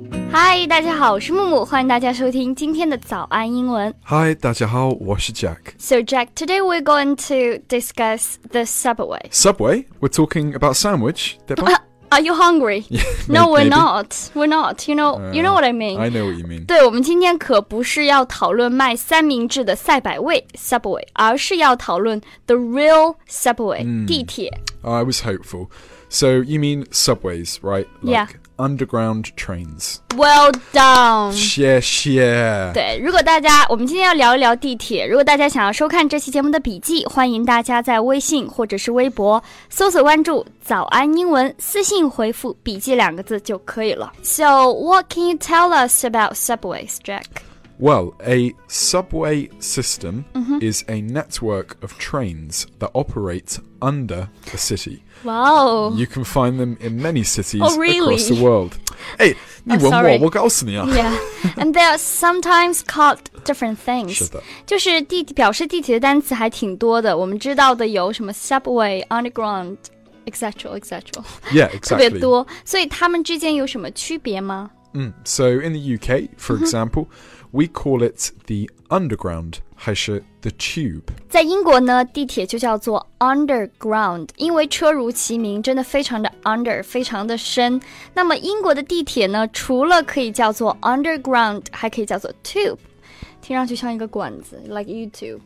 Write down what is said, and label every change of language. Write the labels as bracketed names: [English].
[Chinese] 嗨，大家好，我是木木，欢迎大家收听今天的早安英文。嗨，大家好，我是 Jack. [English] So Jack, today we're going to discuss the Subway. Subway? We're talking about sandwich, right? Are you hungry? Yeah, no, we're not. We're not. You know what I mean. I know what you mean. [Chinese] 对，我们今天可不是要讨论卖三明治的赛百味 Subway, 而是要讨论 the real Subway, 地铁。 [English] I was hopeful. So you mean subways, right? Like, yeah. Underground trains. Well done. [Chinese] 谢谢。对，如果大家，我们今天要聊一聊地铁。如果大家想要收看这期节目的笔记，欢迎大家在微信或者是微博搜索关注早安英文，私信回复笔记两个字就可以了。 [English] So what can you tell us about subways, Jack? Well, a subway system is a network of trains that operates under the city. Wow. You can find them in many cities、 oh, really? across the world. Hey, 你问我，我告诉你啊。 Yeah, and they are sometimes called different things. [Chinese] 是的。就是表示地铁的单词还挺多的。我们知道的有什么 subway, underground, etc, etc. [English] Yeah, exactly. [Chinese] 特别多。所以它们之间有什么区别吗？ [English] So in the UK, for example, we call it the underground, 还是 the tube. [Chinese] 在英国呢，地铁就叫做 underground, 因为车如其名，真的非常的 under, 非常的深。那么英国的地铁呢，除了可以叫做 underground, 还可以叫做 tube, 听上去像一个管子 ,like YouTube.